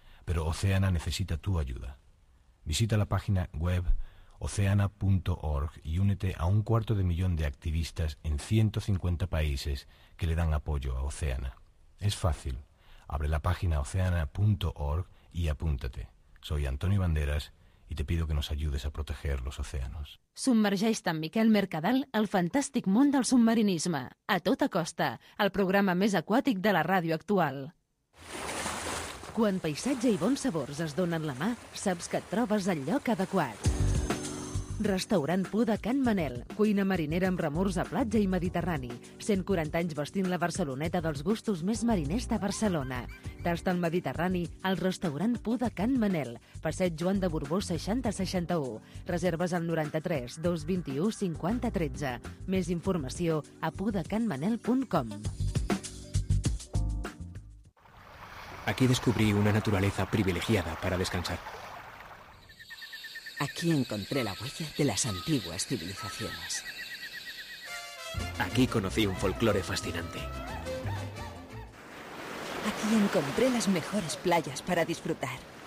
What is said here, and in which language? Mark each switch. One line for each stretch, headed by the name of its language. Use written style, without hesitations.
Spanish: Pero Oceana necesita tu ayuda. Visita la página web oceana.org y únete a 250,000 de activistas en 150 países que le dan apoyo a Oceana. Es fácil. Abre la página oceana.org y apúntate. Soy Antonio Banderas y te pido que nos ayudes a proteger los océanos.
Catalan: Submergeix-te amb Miquel Mercadal al fantàstic món del submarinisme. A tota costa, el programa més aquàtic de la ràdio actual. Quan paisatge i bons sabors es donen la mà, saps que et trobes al lloc adequat. Restaurant Pú de Can Manel, cuina marinera amb remors a platja i mediterrani. 140 anys vestint la Barceloneta dels gustos més mariners de Barcelona. Tasta el mediterrani al restaurant Pú de Can Manel, passeig Joan de Borbó 60-61. Reserves al 93 221 50 13. Més informació a pudecanmanel.com.
Spanish: Aquí descubrí una naturaleza privilegiada para descansar. Aquí encontré la huella de las antiguas civilizaciones. Aquí conocí un folclore fascinante. Aquí encontré las mejores playas para disfrutar.